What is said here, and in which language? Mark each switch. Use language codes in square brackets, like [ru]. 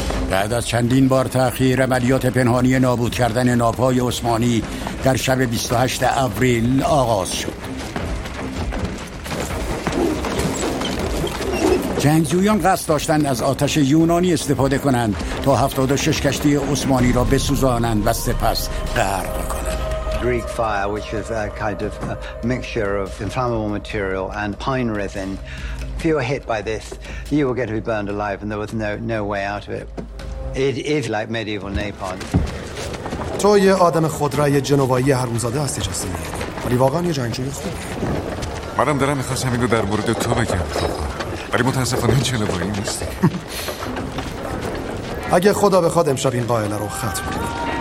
[fa] بعد از چندین بار تأخیر عملیات پنهانی نابود کردن ناوهای عثمانی در شب 28 آوریل آغاز شد. جنگجویان قصد داشتند از آتش یونانی استفاده کنند تا 76 کشتی عثمانی را بسوزانند و سپس غرق کنند. [en] Greek fire, which is a kind of a mixture of inflammable material and pine resin. If you were hit by this, you were going to be burned alive, and there was no way out of it. It is like medieval napalm. [fa] تو یه آدم خودرای جنوایی هرمزاده هستی جاستین، ولی واقعا یه جنگجوی خوبی. منم دارم میخواستم اینو در مورد تو بگم، ولی متاسفانه جنوایی نیستی. اگه خدا بخواد امشب این قائله رو ختم کنه.